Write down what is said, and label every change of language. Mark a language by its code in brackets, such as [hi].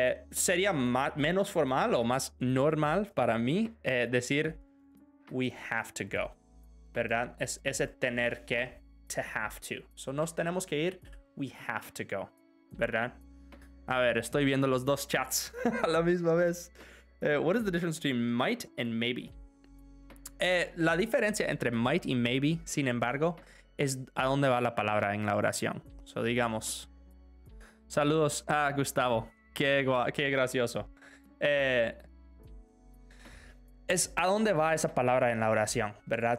[es] Sería menos formal o más normal para mí decir, [en] we have to go. [es] ¿Verdad? Es ese tener que. [en] To have to. [es] So, nos tenemos que ir. [en] We have to go. [es] ¿Verdad? A ver, estoy viendo los dos chats a la misma vez. [en] What is the difference between might and maybe? [es] La diferencia entre might y maybe, sin embargo, es a dónde va la palabra en la oración. So, digamos, saludos a Gustavo. Qué gracioso. Es a dónde va esa palabra en la oración, ¿verdad?